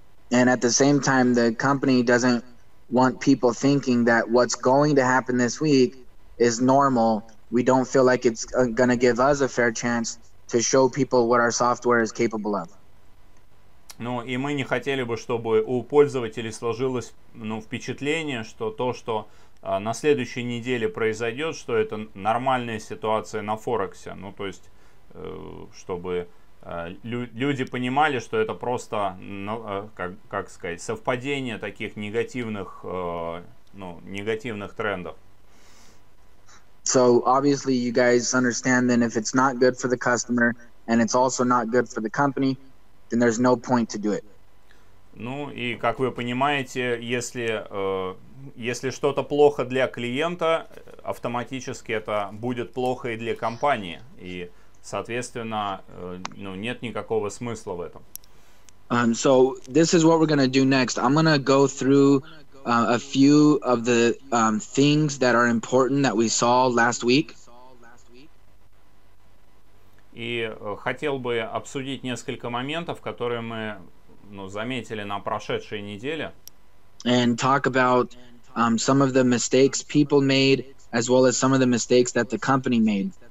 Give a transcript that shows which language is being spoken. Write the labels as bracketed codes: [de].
[en] And at the same time, the company doesn't want people thinking that what's going to happen this week is normal. We don't feel like it's going to give us a fair chance to show people what our software is capable of. [ru] Ну, и мы не хотели бы, чтобы у пользователей сложилось, ну, впечатление, что то, что на следующей неделе произойдет, что это нормальная ситуация на Форексе. Ну, то есть, чтобы люди понимали, что это просто, ну, как сказать, совпадение таких негативных, ну, негативных трендов. [en] So, obviously, you guys understand that if it's not good for the customer and it's also not good for the company, then there's no point to do it. [ru] Ну и как вы понимаете, если если что-то плохо для клиента, автоматически это будет плохо и для компании, и соответственно, ну, нет никакого смысла в этом. [en] So this is what we're gonna do next. I'm gonna go through a few of the things that are important that we saw last week. [ru] И хотел бы обсудить несколько моментов, которые мы, ну, заметили на прошедшей неделе. [en] And talk about some of the mistakes people made, as well as some of the mistakes that the company made.